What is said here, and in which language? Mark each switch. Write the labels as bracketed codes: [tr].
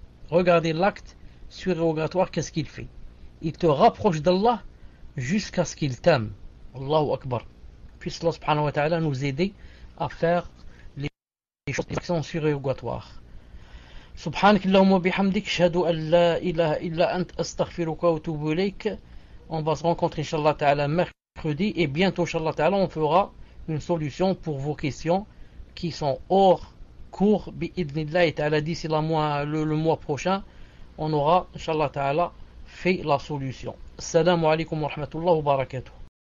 [fr] Regardez l'acte surérogatoire, qu'est-ce qu'il fait? Il te rapproche d'Allah jusqu'à ce qu'il t'aime. Allahu Akbar. Puisse Allah subhanahu wa ta'ala nous aider à faire les choses qui sont surérogatoires. [ar] سبحانك اللهم وبحمدك أشهد أن لا إله إلا أنت أستغفرك وأتوب إليك. [fr] On va se rencontrer inshallah ta'ala mercredi et bientôt inshallah ta'ala on fera une solution pour vos questions qui sont hors cours bi'idhnillah ta'ala d'ici le mois prochain on aura inshallah ta'ala fait la solution. Assalamu alaikum wa rahmatullahi wa barakatuh.